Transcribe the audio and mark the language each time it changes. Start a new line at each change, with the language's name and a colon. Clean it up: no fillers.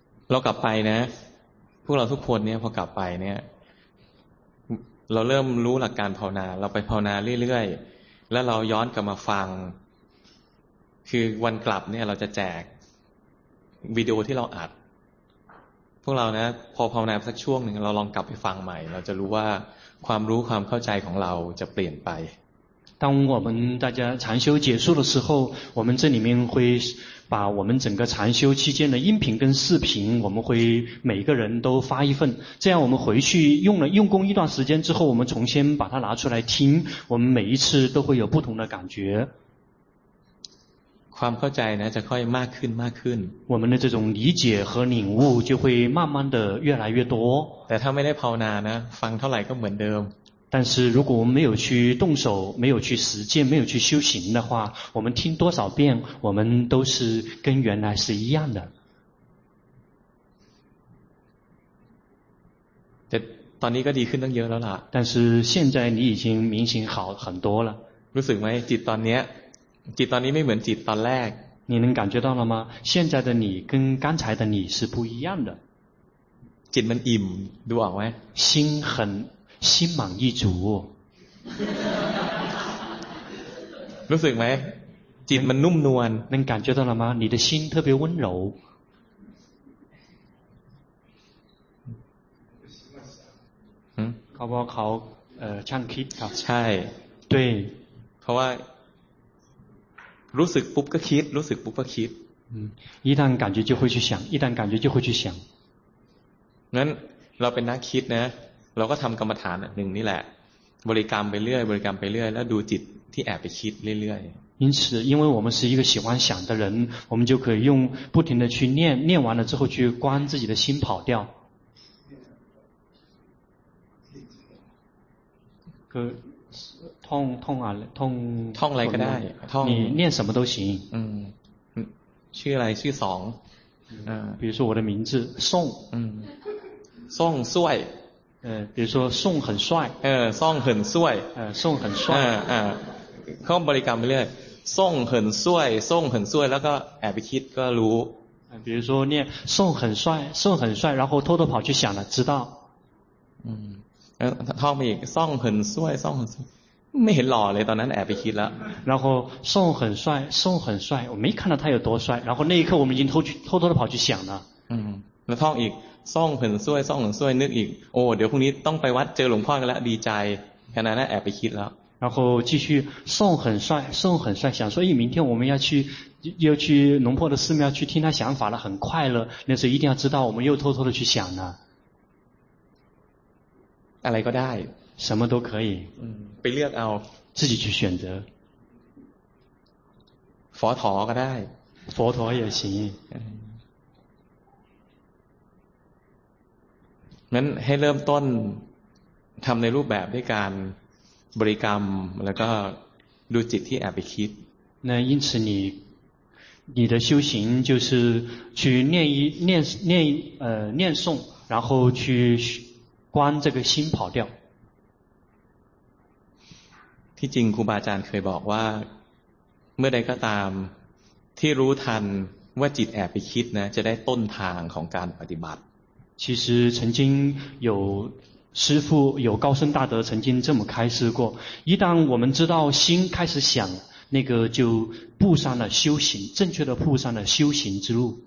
Thai: เรากลับไปนะพวกเราทุกคนเนี่ยพอกลับไปเนี่ยเราเริ่มรู้หลักการภาวนาเราไปภาวนาเรื่อยๆแล้วเราย้อนกลับมาฟังคือวันกลับเนี่ยเราจะแจกวิดีโอที่เราอัดพวกเรานะพอภาวนาสักช่วงหนึ่งเราลองกลับไปฟังใหม่เราจะรู้ว่าความรู้ความเข้าใจของเราจะเปลี่ยนไป
Chinese: 当我们大家禅修结束的时候我们这里面会把我们整个禅修期间的音频跟视频我们会每个人都发一份这样我们回去用功一段时间之后我们重新把它拿出来听我们每一次都会有不同的感觉
Thai: ความเข้าใจนะจะค่อยมากขึ้นมากขึ้น
Chinese: 我们的这种理解和领悟就会慢慢的越来越多
Thai: แต่ถ้าไม่ได้ภาวนานะฟังเท่าไหร่ก็เหมือนเดิม
Chinese: 但是如果我们没有去动手没有去实践没有去修行的话我们听多少遍我们都是跟原来是一样的
Thai: ตอนนี้ก็ดีขึ้นตั้งเยอะแล้วล่ะ
Chinese: 但是现在你已经明显好很多了
Thai: รู้สึกไหมจิตตอนนี้ไม่เหมือนจิตตอนแรก
Chinese: 你能感觉到了吗现在的你跟刚才的你是不一样的
Thai: จิตมันอิ่มดูออกไหม
Chinese: 心很心满意足
Thai: รู้สึกไหมจิตมันนุ่มนวล
Chinese: 能感觉到了吗你的心特别温柔
Thai: เขา บอกเขาช่างคิดครับ ใช่
Chinese: 对
Thai: เพราะว่ารู้สึกปุ๊บก็คิดรู้สึกปุ๊บก็คิด
Chinese: 一旦感觉就会去想一旦感觉就会去想
Thai: งั้นเราเป็นนักคิดนะ เราก็ทำกรรมฐานหนึ่งนี่แหละบริกรรมไปเรื่อยบริกรรมไปเรื่อยแล้วดูจิตที่แอบไปคิดเรื่อย
Chinese: ๆ因此因为我们是一个喜欢想的人我们就可以用不停的去念念完了之后去观自己的心跑掉可痛痛啊痛痛来个带痛你念什么都行去来去爽比如说我的名字宋宋帅比如说宋很帅宋很帅宋很帅
Thai: เขาบริกรรมไปเรื่อยส่งเหินซวยส่งเหินซวยแล้วก็แอบไปคิดก็รู้
Chinese: 比如说念送很帅送很帅然后偷偷跑去想了知道
Thai: ท่องไปอีกส่งเหินซวยส่งเหินซวยไม่เห็นหล่อเลยตอนนั้นแอบไปคิดแล้ว
Chinese: 然后送很帅送很帅我没看到他有多帅然后那一刻我们已经偷偷的跑去想了
Thai: แล้วท่องอีกส่งเหินซวยส่งเหินซวยนึกอีกโอ้เดี๋ยวพรุ่งนี้ต้องไปวัดเจอหลวงพ่อกันแล้วดีใจขณะนั้นแอบไปคิดแล้ว
Chinese: 然后继续送很帅送很帅想说诶明天我们要去农坡的寺庙去听他想法了很快乐那时候一定要知道我们又偷偷的去想了。
Thai: อะไรก็ได้
Chinese: 什么都可以
Thai: ไปเลือกเอา
Chinese: 自己去选择。
Thai: 佛陀ก็ได้
Chinese: 佛陀也行。
Thai: งั้นให้เริ่มต้นทำในรูปแบบด้วยการบริกรรมแล้วก็ดูจิตที่แอบไปคิด
Chinese: 那因此你的修行就是去念诵然后去观这个心跑掉
Thai: ที่จริงครูบาอาจารย์เคยบอกว่าเมื่อใดก็ตามที่รู้ทันว่าจิตแอบไปคิดนะจะได้ต้นทางของการปฏิบัติ
Chinese: 其实曾经有师父有高僧大德曾经这么开示过一旦我们知道心开始想那个就步上了修行正确的步上了修行之路